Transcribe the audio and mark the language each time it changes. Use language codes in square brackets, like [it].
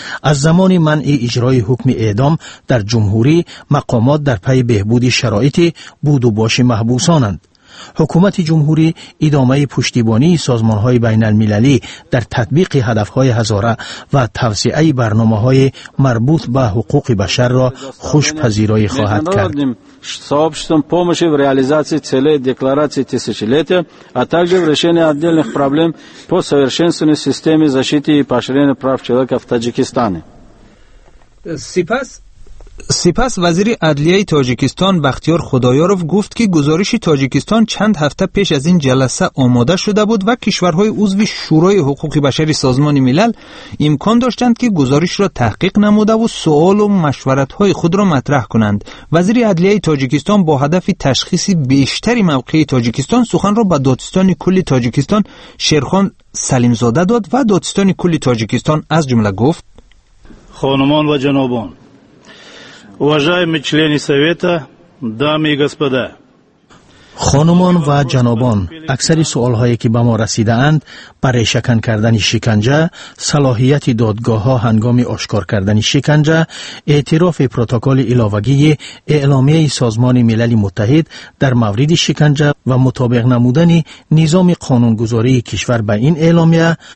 [fa] از زمان منع اجرای حکم اعدام در جمهوری، مقامات در پی بهبود شرایط بود و باش محبوسانند. حکومت جمهوری ادامه پشتیبانی سازمان های بین المللی در تطبیق هدف های هزاره و توسعه برنامه های مربوط به حقوق بشر را خوش پذیرایی خواهد کرد. [ru] сообществом помощи в реализации целей декларации тысячелетия, а также в решении отдельных проблем по совершенствованию системы защиты и поощрения прав человека в Таджикистане. [fa] سپس وزیر عدلیه تاجیکستان بختیار خدایاروف گفت که گزارش تاجیکستان چند هفته پیش از این جلسه آماده شده بود و کشورهای عضو شورای حقوق بشری سازمان ملل امکان داشتند که گزارش را تحقیق نموده و سوال و مشورت های خود را مطرح کنند. وزیر عدلیه تاجیکستان با هدف تشخیص بیشتر موقع تاجیکستان سخن را به دادستان کل تاجیکستان شیرخان سلیمزاده داد و دادستان کل تاجیکستان از جمله گفت: خانمان و جنابان، [ru] уважаемые члены совета, дамы и господа. [fa] خانمان و جنابان، اکثر سوال هایی که به ما رسیده اند بر ریشه‌کن کردن شکنجه، صلاحیت دادگاه ها هنگام آشکار کردن شکنجه، اعتراف پروتکل الاوگی اعلامیه سازمان ملل متحد در مورد شکنجه و مطابق نمودن نظام قانونگذاری کشور به این اعلامیه،